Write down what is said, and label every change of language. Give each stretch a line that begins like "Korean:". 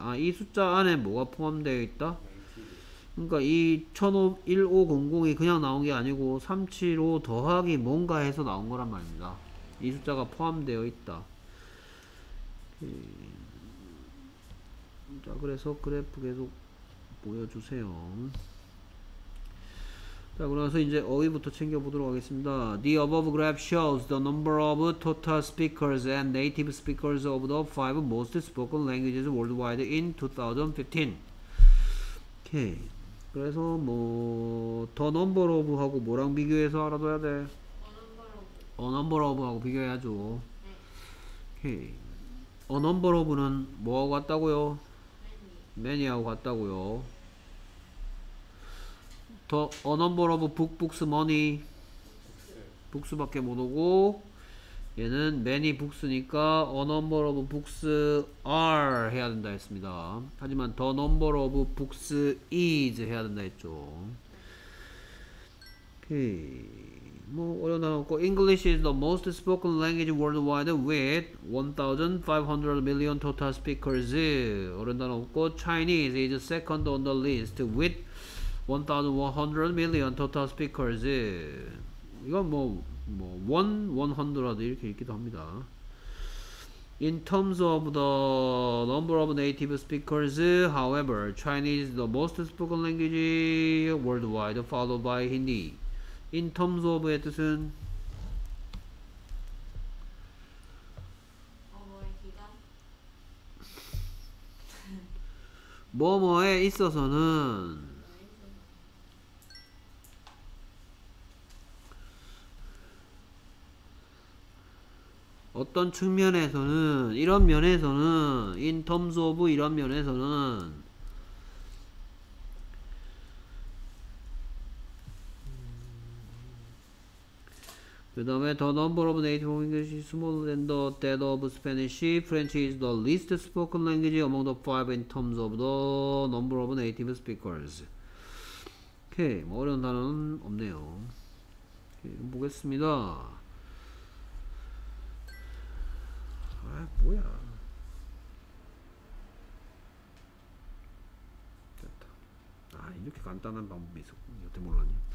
Korean: 아, 이 숫자 안에 뭐가 포함되어 있다? 그러니까 이 1500이 그냥 나온 게 아니고 375 더하기 뭔가 해서 나온 거란 말입니다. 이 숫자가 포함되어 있다. 자, 그래서 그래프 계속 보여주세요. 자, 그래서 이제 어휘부터 챙겨보도록 하겠습니다.
English: The above graph shows the number of total speakers and native speakers of the five most spoken languages worldwide in 2015.
Korean: 오케이. 그래서 뭐 더 넘버 오브 하고 뭐랑 비교해서 알아둬야 돼? 어 넘버 오브 하고 비교해야죠. 네. 오케이. 어 넘버 오브는 뭐하고 같다고요? 매니하고 같다고요. 더 어 넘버 오브 북스 머니 북스밖에 못 오고 얘는 many books니까
English: a number of books are
Korean: 해야 된다 했습니다. 하지만
English: the number of books is
Korean: 해야 된다 했죠. 오케이.
English: 뭐 English is the most spoken language worldwide with 1,500 million total speakers.
Korean: 어려운 단어 없고
English: Chinese is second on the list with 1,100 million total speakers.
Korean: 이건 1,100 이렇게 읽기도 합니다.
English: In terms of the number of native speakers, however, Chinese is the most spoken language worldwide, followed by Hindi.
Korean: In terms of 의 뜻은 뭐뭐에 있어서는 어떤 측면에서는 이런 면에서는
English: in terms of
Korean: 이런 면에서는 그 다음에
English: the number of native English is smaller than the that of Spanish. French is the least spoken language among the five in terms of the number of native speakers.
Korean: 오케이, 뭐 어려운 단어는 없네요. 오케이, 보겠습니다. 아 뭐야. 됐다. 아 이렇게 간단한 방법이 있었군. 여태 몰랐냐.